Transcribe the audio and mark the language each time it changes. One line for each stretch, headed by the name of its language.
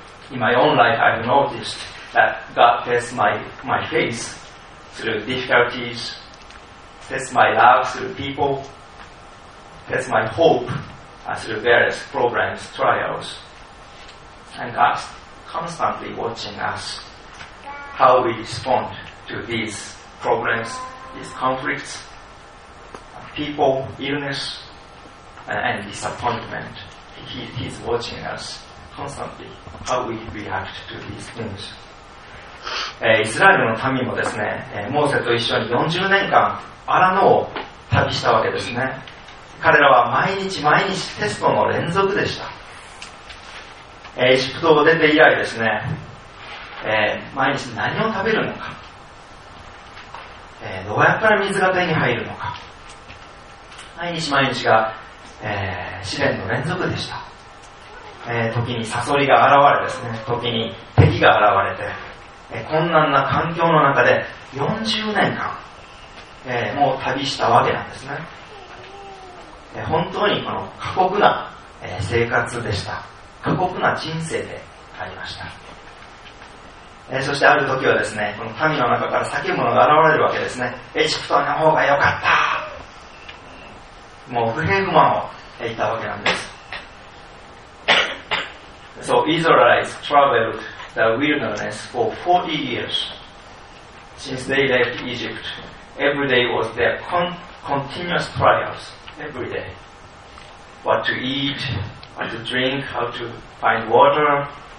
English: In my own life, I've noticed that God tests my faiththrough difficulties, test my love through people, test my hope through various problems, trials, and God's constantly watching us, how we respond to these problems, these conflicts, people, illness, and disappointment. He's watching us constantly, how we react to these things.
Japanese: イスラエルの民もですね、モーセと一緒に40年間アラノを旅したわけですね。彼らは毎日毎日テストの連続でした。エジプトを出て以来ですね、毎日何を食べるのか、どうやったら水が手に入るのか、毎日毎日が、試練の連続でした。時にサソリが現れですね、時に敵が現れて、困難な環境の中で40年間、もう旅したわけなんですね。本当にこの過酷な、生活でした。過酷な人生でありました。そしてある時はですね、この民の中から叫ぶ者が現れるわけですね。エジプトの方が良かった、もう不平不満を言ったわけなんです。
English: So Israelites travelledthe wilderness for 40 years since they left Egypt. Every day was their continuous trials. Every day. What to eat, what to drink, how to find water.